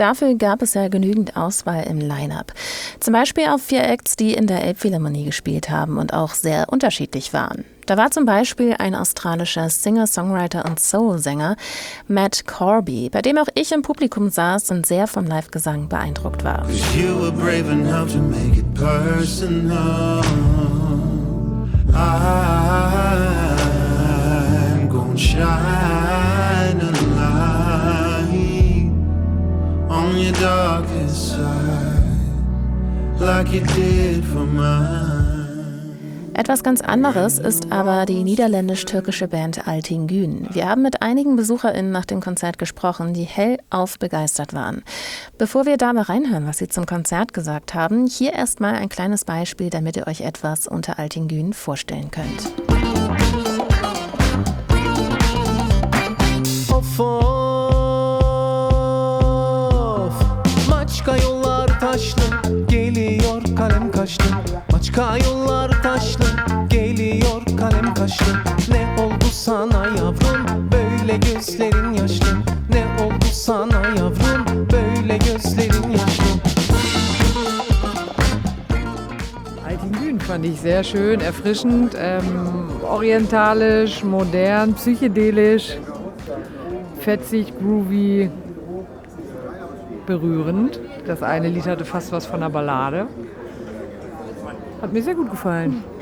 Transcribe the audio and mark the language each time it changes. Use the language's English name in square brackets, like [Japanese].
[German] Dafür gab es ja genügend Auswahl im Line-Up. Zum Beispiel auf vier Acts, die in der Elbphilharmonie gespielt haben und auch sehr unterschiedlich waren. Da war zum Beispiel ein australischer Singer, Songwriter und Soul-Sänger, Matt Corby, bei dem auch ich im Publikum saß und sehr vom Live-Gesang beeindruckt war. [English] You were brave enough to make it personal. Shine a light on your darkest side, like you did for mine. [German] Etwas ganz anderes ist aber die niederländisch-türkische Band Altingün. Wir haben mit einigen BesucherInnen nach dem Konzert gesprochen, die hellauf begeistert waren. Bevor wir da mal reinhören, was sie zum Konzert gesagt haben, hier erstmal ein kleines Beispiel, damit ihr euch etwas unter Altingün vorstellen könnt. [Turkish] Of, maçka yollar taşlı, geliyor kalem kaşlı. Maçka yollar taşlı, geliyor kalem kaşlı. Ne oldu sana yavrum, böyle gözlerin yaşlı. Ne oldu sana yavrum, böyle gözlerin yaşlı. [German] Altingün fand ich sehr schön, erfrischend, orientalisch, modern, psychedelisch. Fetzig, groovy, berührend. Das eine Lied hatte fast was von einer Ballade. Hat mir sehr gut gefallen.